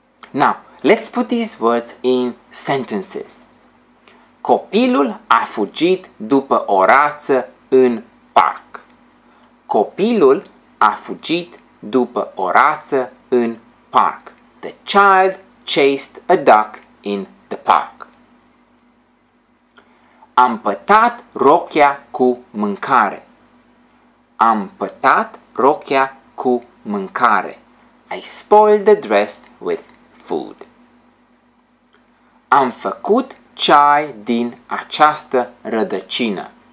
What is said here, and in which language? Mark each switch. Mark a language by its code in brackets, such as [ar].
[en] Now, let's put these words in sentences. [ro] Copilul a fugit după o rață în parc. Copilul a fugit după o rață în parc. [en] The child chased a duck in the park. [ro] Am pătat rochia cu mâncare. Am pătat rochia cu mâncare. [en] I spoiled the dress with food. [ro] Am făcut ceai din această rădăcină.